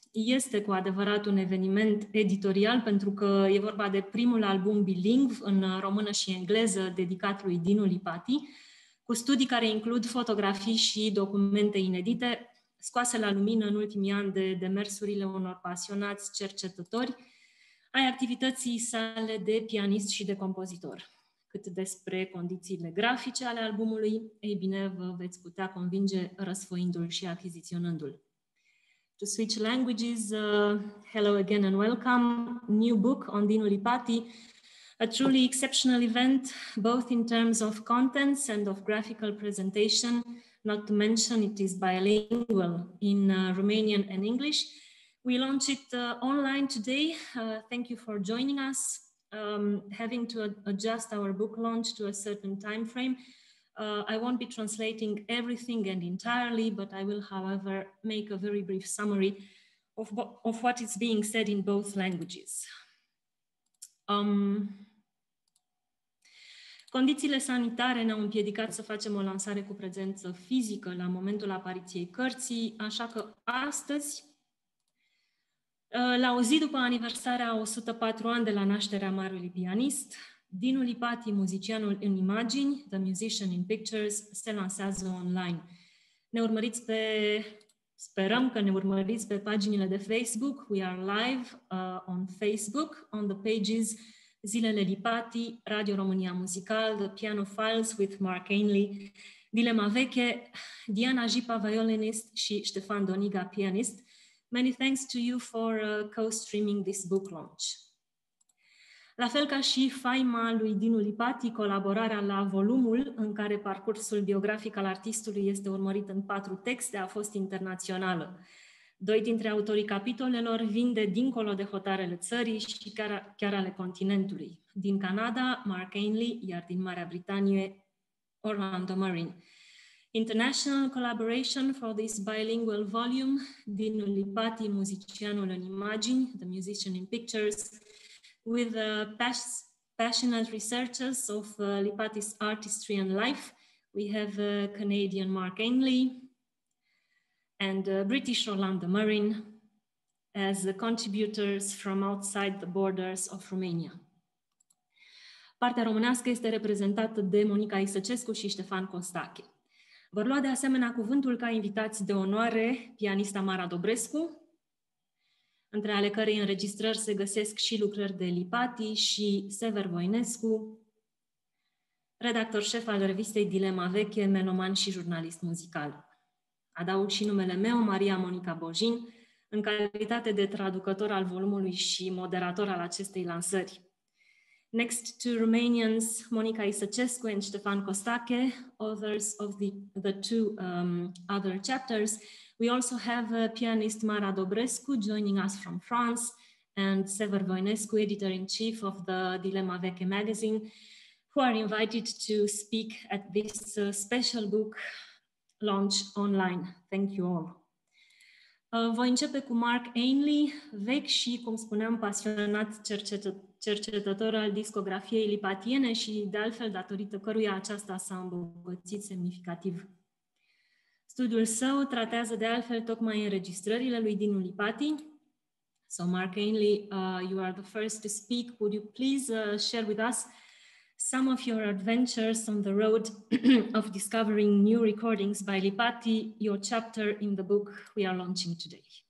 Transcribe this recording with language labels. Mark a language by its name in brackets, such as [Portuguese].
[Romanian] Este cu adevărat un eveniment editorial pentru că e vorba de primul album bilingv în română și engleză dedicat lui Dinu Lipati, cu studii care includ fotografii și documente inedite, scoase la lumină în ultimii ani de demersurile unor pasionați cercetători ai activității sale de pianist și de compozitor. Cât despre condițiile grafice ale albumului, ei bine, vă veți putea convinge răsfoindu-l și achiziționându-l. [English] To switch languages, hello again and welcome. New book on Dinu Lipati, a truly exceptional event, both in terms of contents and of graphical presentation, not to mention it is bilingual in Romanian and English. We launch it online today. Thank you for joining us. Having to adjust our book launch to a certain time frame, I won't be translating everything and entirely, but I will, however, make a very brief summary of what is being said in both languages. [Romanian] Condițiile sanitare ne-au împiedicat să facem o lansare cu prezență fizică la momentul apariției cărții, așa că astăzi, la o zi după aniversarea 104 ani de la nașterea marelui pianist, Dinu Lipati, muzicianul în imagini, The Musician in Pictures, se lansează online. Ne urmăriți pe, sperăm că ne urmăriți pe paginile de Facebook, [English] we are live on Facebook, on the pages [Romanian] Zilele Lipati, Radio România Muzical, The Piano Files with Mark Ainley, Dilema Veche, Diana Jipa, violinist, și Ștefan Doniga, pianist. [English] Many thanks to you for co-streaming this book launch. [Romanian] La fel ca și faima lui Dinu Lipati, colaborarea la volumul în care parcursul biografic al artistului este urmărit în 4 texte a fost internațională. 2 dintre autorii capitolelor vin de dincolo de hotarele țării și chiar ale continentului. Din Canada, Mark Ainley, iar din Marea Britanie, Orlando Marin. [English] International collaboration for this bilingual volume, Dinu Lipati, muzicianul în imagini, The Musician in Pictures, with passionate researchers of Lipati's artistry and life, we have Canadian Mark Ainley and British Orlando Marin as contributors from outside the borders of Romania. [Romanian] Partea românească este reprezentată de Monica Isăcescu și Ștefan Costache. Vor lua de asemenea cuvântul ca invitați de onoare pianista Mara Dobrescu, între ale cărei înregistrări se găsesc și lucrări de Lipati și Sever Voinescu, redactor șef al revistei Dilema Veche, meloman și jurnalist muzical. Adaug și numele meu, Maria Monica Bojin, în calitate de traducător al volumului și moderator al acestei lansări. [English] Next to Romanians, Monica Isăcescu and Ștefan Costache, authors of the two other chapters, we also have pianist Mara Dobrescu joining us from France and Sever Voinescu, editor-in-chief of the Dilema Veche magazine, who are invited to speak at this special book launch online. Thank you all. [Romanian] Voi începe cu Mark Ainley, vechi și, cum spuneam, pasionat cercetător al discografiei lipatiene și, de altfel, datorită căruia aceasta s-a îmbogățit semnificativ. Studiul său tratează, de altfel, tocmai înregistrările lui Dinu Lipati. [English] So, Mark Ainley, you are the first to speak. Would you please share with us some of your adventures on the road of discovering new recordings by Lipati, your chapter in the book we are launching today?